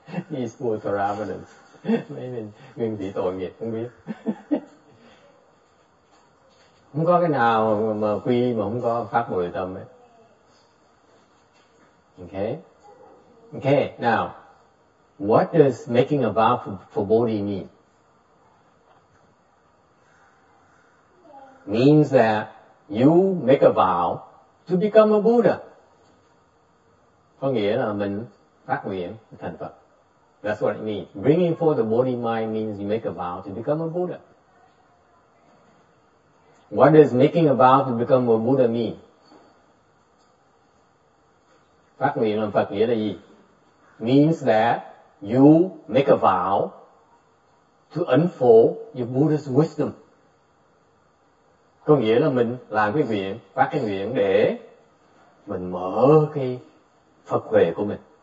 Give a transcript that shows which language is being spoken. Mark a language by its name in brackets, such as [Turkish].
[English] These poor Theravadins, [Vietnamese] ngay bên nguyên thủy tội nghiệp, không biết. Không có cái nào mà quy mà không có phát Bồ Đề Tâm ấy. [English] Okay. Okay. Now, what does making a vow for Bodhi mean? Means that you make a vow to become a Buddha. [Vietnamese] Có nghĩa là mình phát nguyện thành Phật. [English] That's what it means. Bringing forth the Bodhi mind means you make a vow to become a Buddha. What does making a vow to become a Buddha mean? [Vietnamese] Phát nguyện làm Phật nghĩa là gì? [English] Means that you make a vow to unfold your Buddha's wisdom. [Vietnamese] Có nghĩa là mình làm cái nguyện, phát cái nguyện để mình mở cái Phật huệ của mình.